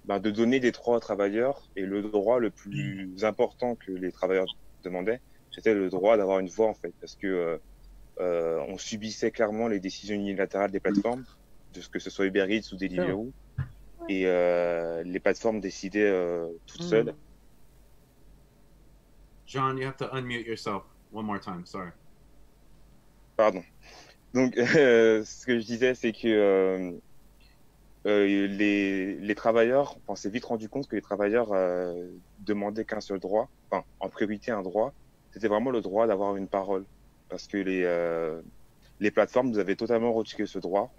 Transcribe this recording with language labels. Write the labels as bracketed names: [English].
[French] donner des droits aux travailleurs, et le droit le plus important que les travailleurs demandaient, c'était le droit d'avoir une voix, en fait, parce que on subissait clairement les décisions unilatérales des plateformes, que ce soit Uber Eats ou Deliveroo, et les plateformes décidaient toutes seules. [English] John, you have to unmute yourself one more time, sorry. [French] Pardon. Donc, ce que je disais, c'est que les travailleurs, on s'est vite rendu compte que les travailleurs demandaient qu'un seul droit, enfin, en priorité un droit, c'était vraiment le droit d'avoir une parole, parce que les plateformes nous avaient totalement retiré ce droit.